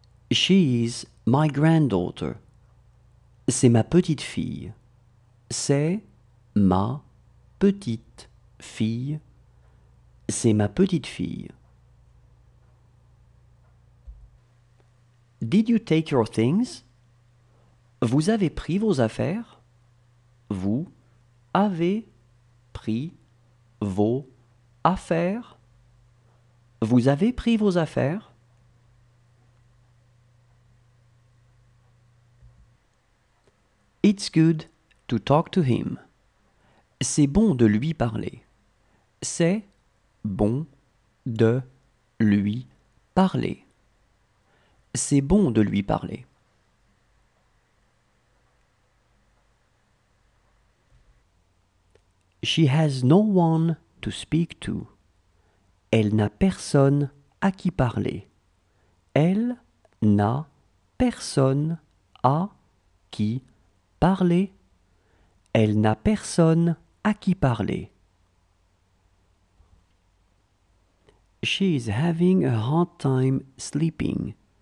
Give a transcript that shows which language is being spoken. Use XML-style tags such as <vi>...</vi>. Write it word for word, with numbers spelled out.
<en>She is my granddaughter.</en> <fr>C'est ma petite fille. C'est ma petite fille. C'est ma petite fille.</fr> <en>Did you take your things?</en> <fr>Vous avez pris vos affaires? Vous avez pris vos affaires? Vous avez pris vos affaires?</fr> <en>It's good to talk to him.</en> <fr>C'est bon de lui parler. C'est bon de lui parler. C'est bon de lui parler.</fr> <en>She has no one to speak to.</en> <fr>Elle n'a personne à qui parler. Elle n'a personne à qui parler. Elle n'a personne à qui parler.</fr> <en>She is having a hard time sleeping.</en>